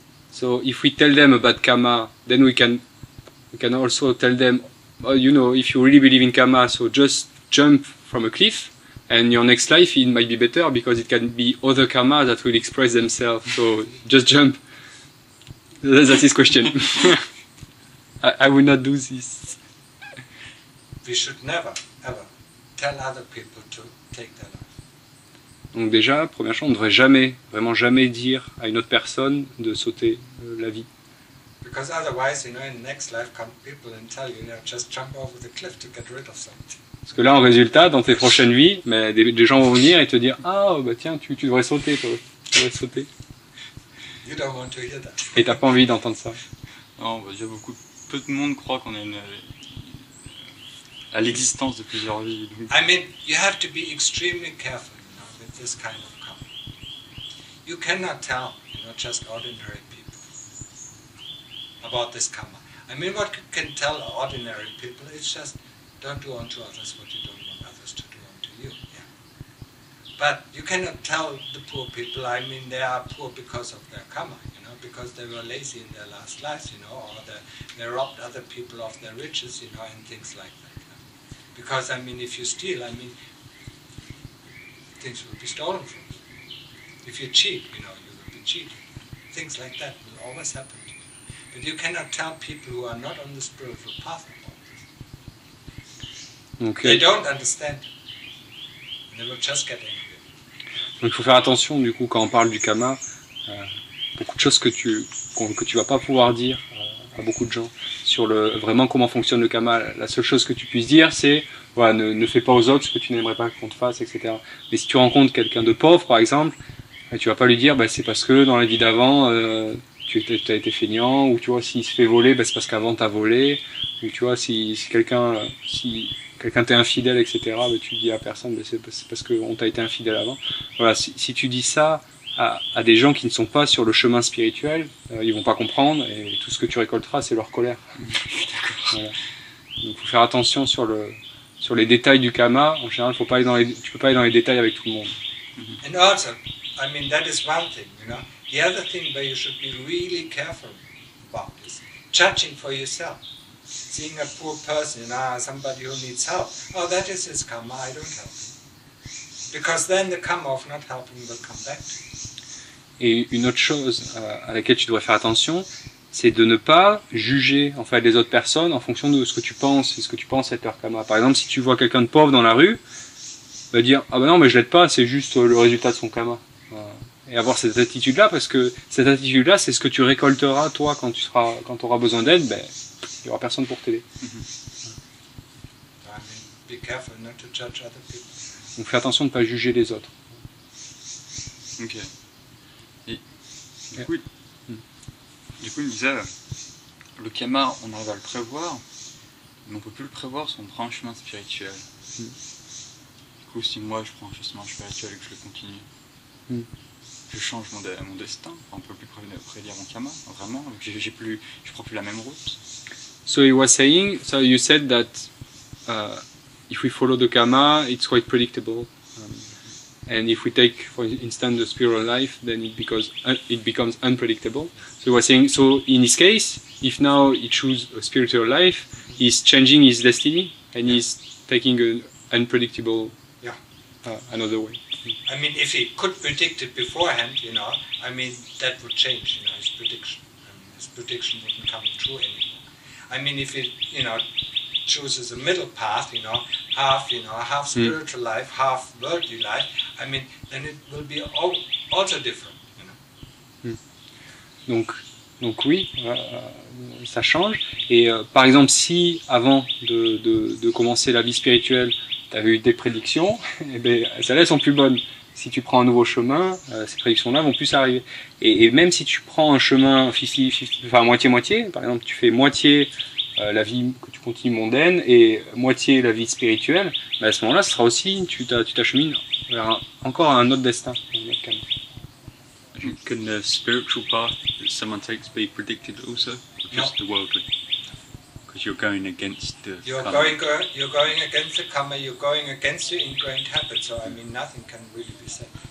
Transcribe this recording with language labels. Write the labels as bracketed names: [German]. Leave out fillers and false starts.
[English] So if we tell them about kamma, then we can also tell them, well, you know, if you really believe in kamma, so just jump from a cliff and your next life, it might be better because it can be other kamma that will express themselves. So just jump. That's his question. I will not do this. We should never, ever tell other people to take their life. [French] Donc déjà, première chose, on ne devrait jamais, vraiment jamais dire à une autre personne de sauter la vie. [English] Because otherwise, you know, in the next life come people and tell you, just jump over the cliff to get rid of something. [French] Parce que là, en résultat, dans tes prochaines vies, mais des gens vont venir et te dire, ah, bah tiens, tu devrais sauter, toi. Tu devrais sauter. [English] You don't want to hear that. [French] Et t'as pas envie d'entendre ça. Non, bah, déjà, beaucoup, peu de monde croit qu'on a une... à l'existence de plusieurs vies. Donc. [English] I mean, you have to be extremely careful. This kind of kamma. You cannot tell, you know, just ordinary people about this kamma. I mean, what you can tell ordinary people is just don't do unto others what you don't want others to do unto you. Yeah. But you cannot tell the poor people, I mean, they are poor because of their kamma, you know, because they were lazy in their last lives, you know, or they robbed other people of their riches, you know, and things like that. You know? Because, I mean, if you steal, I mean, things will be stolen from you. If you cheat, you know, you will be cheated. Things like that will always happen to you. But you cannot tell people who are not on the spiritual path about this. Okay. They don't understand. And they will just get angry. [French] Donc il faut faire attention, du coup, quand on parle du kamma, beaucoup de choses que tu vas pas pouvoir dire à beaucoup de gens sur le vraiment comment fonctionne le kamma. La seule chose que tu puisses dire, c'est voilà, ne fais pas aux autres ce que tu n'aimerais pas qu'on te fasse, etc. Mais si tu rencontres quelqu'un de pauvre, par exemple, tu vas pas lui dire c'est parce que dans la vie d'avant tu as été feignant, ou tu vois, s'il se fait voler, c'est parce qu'avant t'as volé, ou tu vois, si quelqu'un t'est infidèle, etc., tu dis à personne c'est parce qu'on t'a été infidèle avant. Voilà, si tu dis ça à des gens qui ne sont pas sur le chemin spirituel, ils vont pas comprendre, et tout ce que tu récolteras, c'est leur colère. Voilà. Donc il faut faire attention sur les détails du kamma. En général, faut pas aller tu peux pas aller dans les détails avec tout le monde. [English] And also, I mean, that is one thing, you know. The other thing where you should be really careful about is judging for yourself. Seeing a poor person, somebody who needs help. Oh, that is his kamma, I don't help him. Because then the kamma of not helping will come back to you. [French] Et une autre chose à laquelle tu devrais faire attention, c'est de ne pas juger en fait les autres personnes en fonction de ce que tu penses et ce que tu penses être leur kamma. Par exemple, si tu vois quelqu'un de pauvre dans la rue, va dire ah ben non, mais je l'aide pas, c'est juste le résultat de son kamma. Et avoir cette attitude-là, parce que cette attitude-là, c'est ce que tu récolteras toi quand tu auras besoin d'aide. Ben, n'y aura personne pour t'aider. [English] Mm-hmm. I mean, be careful not to judge other people. [French] Donc fais attention de ne pas juger les autres. Ok. Et, du coup, il disait, le kamma, on arrive à le prévoir, mais on ne peut plus le prévoir si on prend un chemin spirituel. Mm. Du coup, si moi je prends un chemin spirituel et que je le continue, je change mon destin, enfin, on ne peut plus prédire mon kamma, vraiment, je ne prends plus la même route. [English] So you were saying, so you said that if we follow the kamma, it's quite predictable. And if we take, for instance, the spiritual life, then it becomes unpredictable. So we're saying, so in his case, if now he chooses a spiritual life, he's changing his destiny and he's taking an unpredictable another way. I mean, if he could predict it beforehand, you know, I mean, that would change, you know, his prediction. His prediction wouldn't come true anymore. I mean, if he, you know, chooses a middle path, half spiritual life, half worldly life, I mean, then it will be also different, you know. [French] Donc oui, ça change. Et par exemple, si avant de commencer la vie spirituelle, tu avais eu des prédictions, eh bien, celles-là sont plus bonnes. Si tu prends un nouveau chemin, ces prédictions-là vont plus arriver. Et même si tu prends un chemin moitié-moitié, par exemple, tu fais moitié la vie que tu continues mondaine et moitié la vie spirituelle, à ce moment-là, ce sera aussi, tu t'achemines vers encore un autre destin. [English] Can the spiritual path that someone takes be predicted also, or just the worldly? Because you're going against the kamma. You're going against the kamma, you're going against your ingrained habit, so I mean, nothing can really be said.